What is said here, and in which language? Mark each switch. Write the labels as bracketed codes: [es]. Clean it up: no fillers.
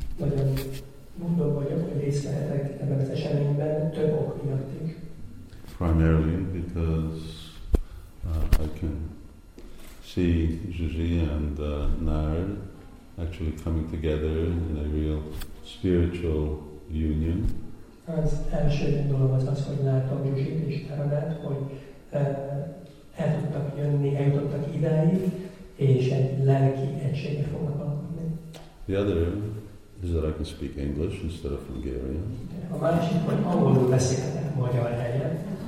[en] Primarily because I can see Zsuzsi and Nard actually coming together in a real spiritual union. [hu] Az első dolog az az, hogy láttam Zsuzsit és Nárdát, hogy el tudtak jönni, eljutottak idáig, és egy lelki egységre fognak alakulni. [en] The other is that I can speak English instead of Hungarian. [hu] A másik, hogy angolul beszélhetek magyar helyen.